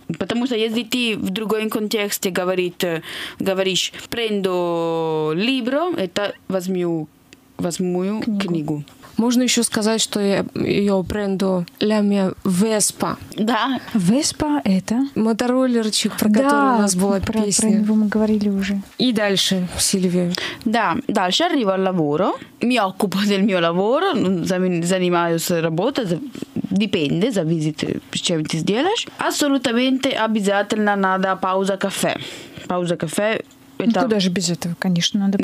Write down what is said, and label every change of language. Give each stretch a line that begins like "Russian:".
Russian: Потому что если ты в другом контексте говоришь
Italian: prendo libro,
Russian: это возьму книгу. Можно еще сказать, что я
Italian: prendo la mia Vespa.
Russian: Да. Vespa это? Моторолерчик, про который да, у нас была песня. Про него мы говорили уже. И дальше, Сильвия.
Italian: Да, дальше arrivo al lavoro. Mi occupo del mio lavoro.
Russian: Занимаюсь работой.
Italian: Dipende,
Russian: зависит, чем ты сделаешь. Абсолютно обязательно надо пауза кафе. Пауза кафе. Это... Куда же без этого, конечно, надо